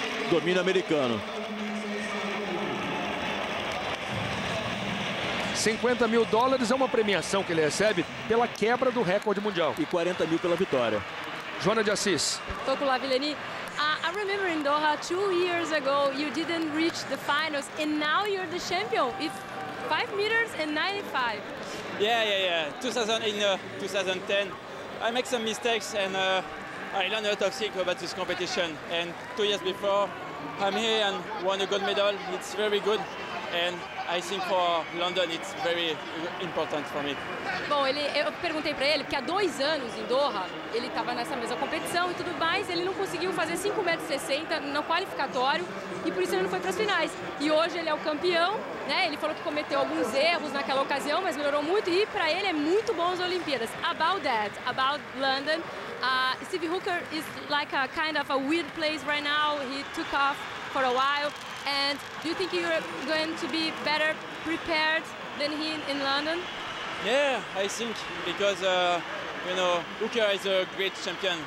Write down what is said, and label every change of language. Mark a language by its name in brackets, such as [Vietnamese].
[Portuguese] Domínio americano. 50 mil dólares é uma premiação que ele recebe pela quebra do recorde mundial. E 40 mil pela vitória. Joana de Assis. Toco Lavileni. [English] I remember in Doha, 2 years ago, you didn't reach the finals, and now you're the champion. It's 5 meters and 95. Yeah. 2010, I make some mistakes, and I learned a lot of things about this competition. And 2 years before, I'm here and won a gold medal. It's very good. And I think for London it's very important for me. [Portuguese] Bom, eu perguntei para ele, porque há 2 anos em Doha, ele estava nessa mesma competição e tudo mais, ele não conseguiu fazer 5,60 metros no qualificatório e por isso ele não foi para as finais. E hoje ele é o campeão, né? Ele falou que cometeu alguns erros naquela ocasião, mas melhorou muito e para ele é muito bom as Olimpíadas. [English] About that, about London, Steve Hooker is like a kind of a weird place right now. He took off for a while. And do you think you're going to be better prepared than he in London? Yeah, I think because you know, Hooker is a great champion.